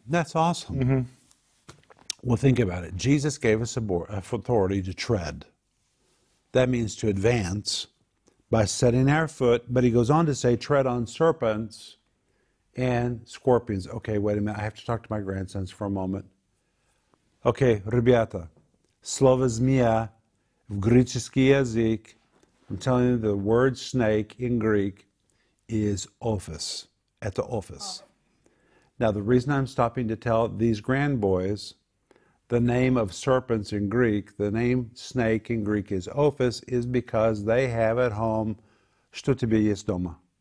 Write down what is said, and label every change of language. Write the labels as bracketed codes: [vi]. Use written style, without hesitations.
[en] That's awesome. Mm-hmm. Well, think about it. Jesus gave us authority to tread. That means to advance by setting our foot. But he goes on to say, tread on serpents and scorpions. Okay, wait a minute. I have to talk to my grandsons for a moment. [ru] Okay, ребята, слово змея в греческий язык. [en] I'm telling you, the word snake in Greek is офис, at the office. Now, the reason I'm stopping to tell these grand boys the name of serpents in Greek, the name snake in Greek is офис, is because they have at home, [ru] что тебе есть дома?